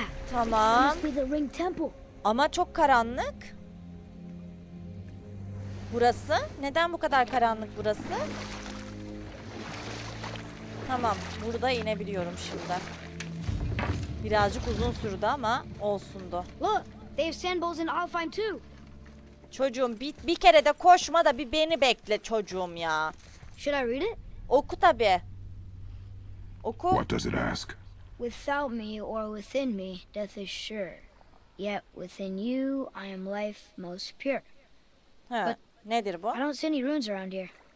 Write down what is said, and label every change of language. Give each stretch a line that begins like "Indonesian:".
Turkish: Tamam. Ama çok karanlık. Burası? Neden bu kadar karanlık burası? Tamam, burada inebiliyorum şimdi. Birazcık uzun sürdü ama olsundu.
English: Look, they have sandals and I'll find too.
Turkish: Çocuğum bir kere de koşma da bir beni bekle çocuğum ya.
English: Should I read it?
Turkish: Oku tabii. Oku.
English: What does it ask? Without me or within me, death is sure. Yet within you, I am life most pure.
Turkish: Ha, but nedir bu?
English: I don't see any runes around here.